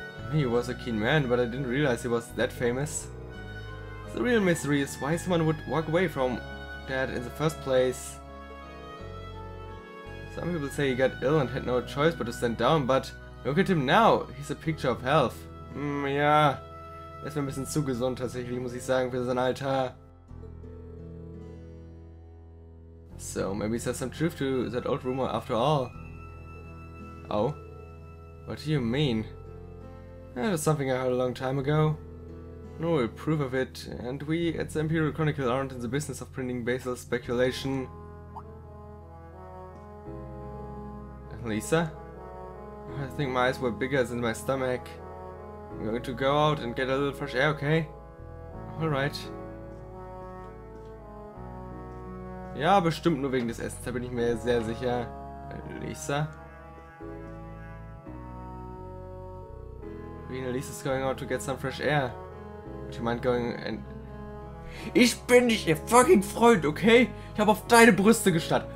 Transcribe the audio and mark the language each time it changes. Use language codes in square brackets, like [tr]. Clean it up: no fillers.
[en] I mean, he was a keen man, but I didn't realize he was that famous. The real mystery is why someone would walk away from that in the first place. Some people say he got ill and had no choice but to stand down, but look at him now, he's a picture of health. [de] Ja. Er ist mir ein bisschen zu gesund tatsächlich, muss ich sagen, für sein Alter. [en] So, maybe there's some truth to that old rumor after all. Oh? What do you mean? That was something I heard a long time ago. No real proof of it, and we at the Imperial Chronicle aren't in the business of printing baseless speculation. Lisa? I think my eyes were bigger than my stomach. I'm going to go out and get a little fresh air, okay? Alright. [de] Ja, bestimmt nur wegen des Essens, da bin ich mir sehr sicher. [en] Lisa? Queen Elisa's going out to get some fresh air. Would you mind going and... [de] Ich bin nicht ihr fucking Freund, okay? Ich habe auf deine Brüste gestarrt.